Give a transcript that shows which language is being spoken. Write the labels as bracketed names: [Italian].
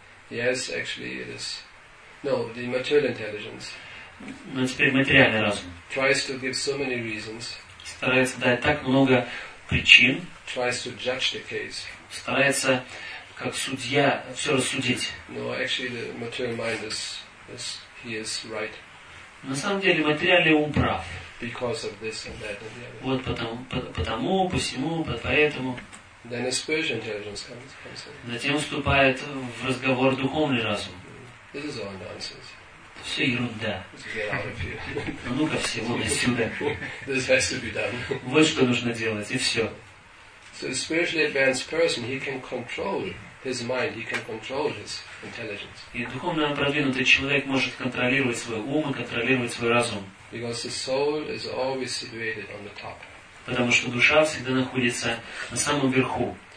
[English] Yes, actually it is. No, the material intelligence. [Russian] Но теперь материальный разум. [English] Tries to give so many reasons. [Russian] Старается дать так много причин. [English] Tries to judge the case. [Russian] Старается, как судья, все рассудить. [English] No, actually the material mind is he is right. [Russian] На самом деле материальный ум прав. [English] Because of this and that and the other. [Russian] Вот потому, посему, поэтому. [English] Then a spiritual intelligence comes in. [Russian] Затем вступает в разговор духовный разум. [English] This is all nonsense. [Russian] Это все ерунда. Ну, ну-ка все, вон отсюда. [English] This has to be done. [Russian] Вот что нужно делать, и все. [English] So a spiritually advanced person, he can control his mind, he can control his intelligence. [Russian] И духовно продвинутый человек может контролировать свой ум и контролировать свой разум. [English] Because the soul is always situated on the top. [Russian] Потому что душа всегда находится на самом верху.